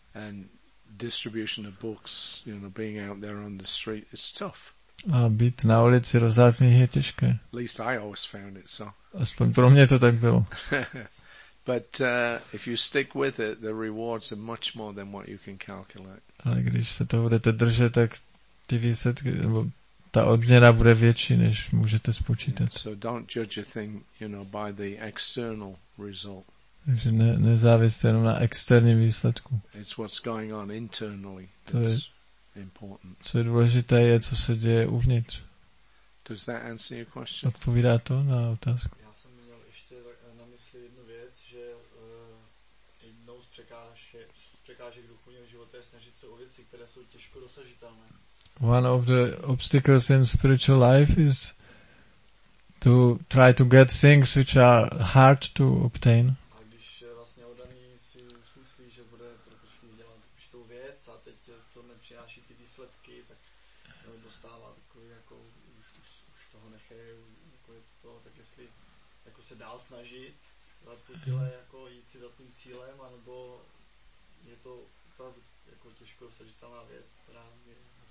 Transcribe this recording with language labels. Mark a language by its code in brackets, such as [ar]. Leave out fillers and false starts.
[en] And distribution of books, you know, being out there on the street is tough. [cs] A být na ulici, rozdávat knihy, je těžké. [en] At least I always found it so. [cs] Aspoň pro mě to tak bylo. [en] But if you stick with it, the rewards are much more than what you can calculate. [cs] Ale když se toho budete držet, tak ty výsledky, nebo ta odměna bude větší, než můžete spočítat. [en] So don't judge a thing, you know, by the external result. [cs] Takže nezávisle jenom na externím výsledku. [en] It's what's going on internally. [cs] To je important. Co je důležité, je, co se děje uvnitř. [en] Does that answer your question? [cs] Odpovídá to na otázku? Já jsem měl ještě na mysli jednu věc, že jednou z překážek duchovního života je snažit se o věci, které jsou těžko dosažitelné. [en] One of the obstacles in spiritual life is to try to get things which are hard to obtain. [cs] A když vlastně oddaný si usmyslí, že bude trošku dělat určitou věc a teď to nepřináší ty výsledky, tak dostává takový jako už toho neche, jako je to, tak jestli jako se dál snažit za to tyhle jako jít si za tím cílem, anebo je to opravdu jako těžko dosažitelná věc, která je.